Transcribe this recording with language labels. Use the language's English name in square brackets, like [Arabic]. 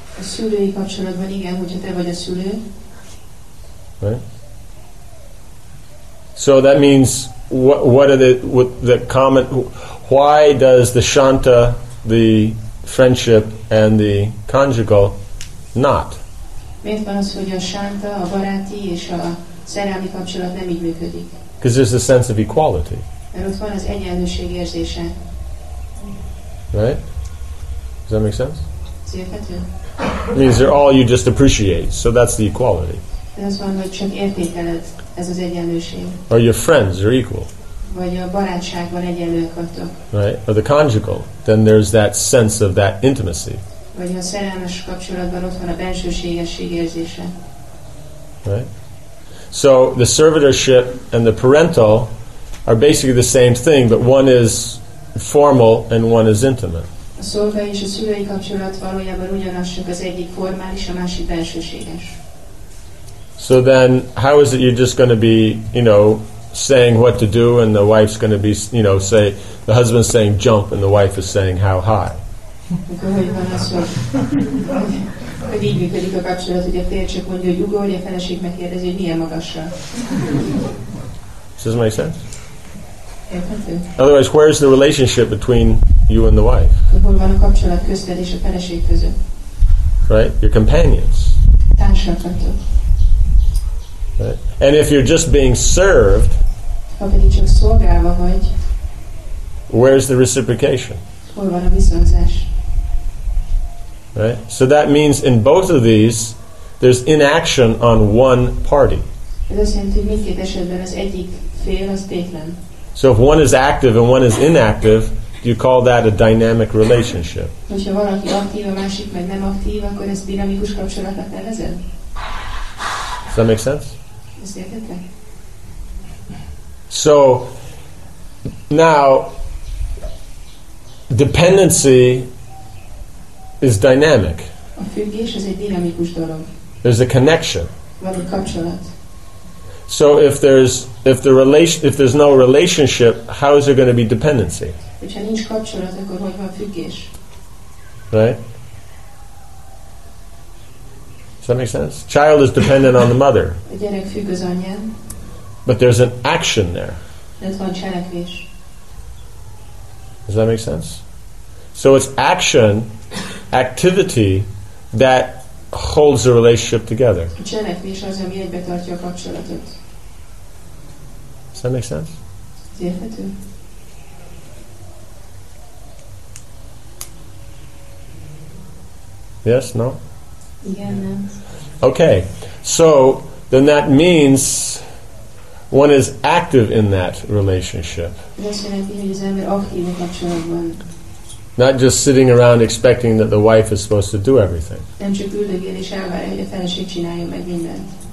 [Hungarian] A szülői kapcsolatban igen, hogyha te vagy a szülő. [English] Right? So that means why does the shanta, the friendship and the conjugal not? [Hungarian] Miért van az, hogy a shanta, a baráti és a szerelmi kapcsolat nem így működik? [English] Because there's a sense of equality. [Hungarian] Mert ott van az egyenlőség érzése. [English] Right? Does that make sense? [Hungarian] Érthető. [English] It means they're all you just appreciate, so that's the equality. [Hungarian] Ez van, hogy csak értékeled. Ez az egyenlőség. [English] Or your friends are equal. [Hungarian] Vagy a barátságban egyenlőek vagytok. [English] Right? Or the conjugal. Then there's that sense of that intimacy. [Hungarian] Vagy a szerelmes kapcsolatban ott van a bensőségesség érzése. [English] Right? So the servitorship and the parental are basically the same thing, but one is formal and one is intimate. A szolgai és a szülői kapcsolat valójában ugyanaz, csak az egyik formális, a másik bensőséges. So then, how is it you're just going to be, you know, saying what to do, and the wife's going to be, you know, say, the husband's saying jump, and the wife is saying how high? Does this make sense? Otherwise, where's the relationship between you and the wife? [Hungarian] Hol van a kapcsolat közted és a feleség között? [English] Right, your companions. [Hungarian] Társakatok. [English] Right? And if you're just being served, [Hungarian] ha pedig csak szolgálva vagy, [English] where's the reciprocation? [Hungarian] Hol van a viszonzás? [English] Right? So that means in both of these, there's inaction on one party. [Hungarian] Ez azt jelenti, hogy mindkét esetben az egyik fél az tétlen. [English] So if one is active and one is inactive, do you call that a dynamic relationship? [Hungarian] Hogyha valaki aktív, a másik meg nem aktív, akkor ez dinamikus kapcsolatot nevezel? [English] Does that make sense? [Hungarian] Ezt értette? [English] So, now, dependency is dynamic. [Hungarian] A függés az egy dinamikus dolog. [English] There's a connection. [Hungarian] Van egy kapcsolat. [English] So if there's if there's no relationship, how is there going to be dependency? [Hungarian] Hogyha nincs kapcsolat, akkor hogy van függés? [English] Right? Does that make sense? Child is dependent on the mother. [Hungarian] A gyerek függ az anyán. [English] But there's an action there. [Hungarian] Ez van cselekvés. [English] Does that make sense? So it's action, activity that holds the relationship together. [Hungarian] Cselekvés az, ami egybe tartja a kapcsolatot. [English] Does that make sense? [Hungarian] Ez érthető? [English] Yes, no? [Hungarian] Igen, nem. [English] Okay. So, then that means one is active in that relationship. [Hungarian] Ez azt jelenti, hogy az ember aktív a kapcsolatban. [English] Not just sitting around expecting that the wife is supposed to do everything. [Hungarian] Nem csak üldögél és elvárja, hogy a feleség csinálja meg mindent.